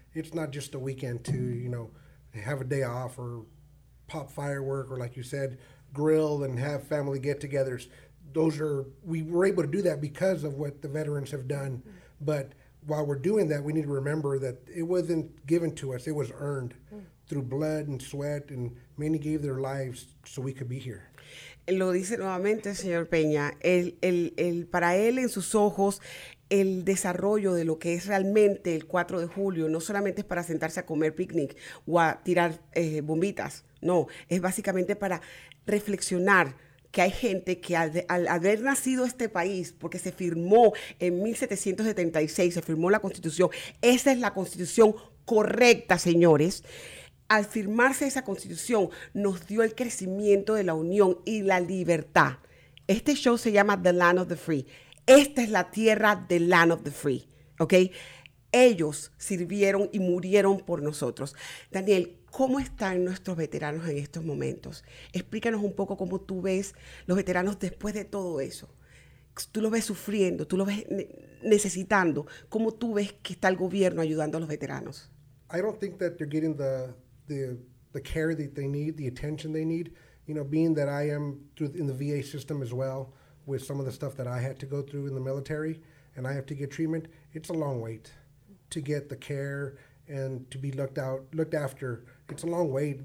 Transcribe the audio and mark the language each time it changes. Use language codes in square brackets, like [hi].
[en] It's not just a weekend to, you know, have a day off or pop firework or, like you said, grill and have family get-togethers. We were able to do that because of what the veterans have done. But while we're doing that, we need to remember that it wasn't given to us. It was earned through blood and sweat, and many gave their lives so we could be here. [es] Lo dice nuevamente el señor Peña, el para él en sus ojos, el desarrollo de lo que es realmente el 4 de julio, no solamente es para sentarse a comer picnic o a tirar bombitas, no, es básicamente para reflexionar que hay gente que al haber nacido este país, porque se firmó en 1776, se firmó la Constitución, esa es la Constitución correcta, señores. Al firmarse esa constitución, nos dio el crecimiento de la unión y la libertad. Este show se llama The Land of the Free. Esta es la tierra de Land of the Free. ¿Okay? Ellos sirvieron y murieron por nosotros. Daniel, ¿cómo están nuestros veteranos en estos momentos? Explícanos un poco cómo tú ves los veteranos después de todo eso. Tú los ves sufriendo, tú los ves necesitando. ¿Cómo tú ves que está el gobierno ayudando a los veteranos? [en] I don't think that they're getting the care that they need, the attention they need, you know, being that I am in the VA system as well with some of the stuff that I had to go through in the military and I have to get treatment, it's a long wait to get the care and to be looked after it's a long wait.